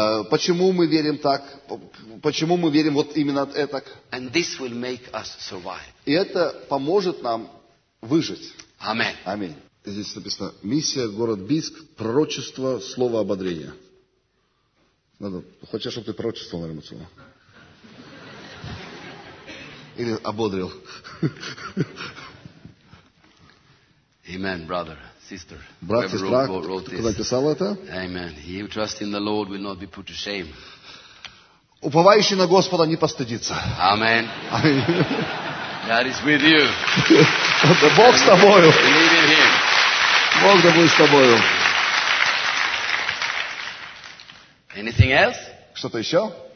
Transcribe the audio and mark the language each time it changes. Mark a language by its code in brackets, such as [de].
[ru] Почему мы верим так? Почему мы верим вот именно так? [en] And this will make us survive. [ru] И это поможет нам выжить. [en] Amen. [ru] Аминь. Здесь написано: миссия, город Бийск, пророчество, слово ободрения. Надо, хочешь, чтобы ты пророчествовал, наверное, слово? Или ободрил? [en] Amen, brother. [ru] Брат, сестра, кто написал это? [en] Amen. He who trusts in the Lord will not be put to shame. [ru] Уповающий на Господа не постыдится. [en] Amen. God is with you. [ru] Бог с тобою. [en] Believe in Him. [ru] Бог да будет с тобою. [en] Anything else? [ru] Что-то еще?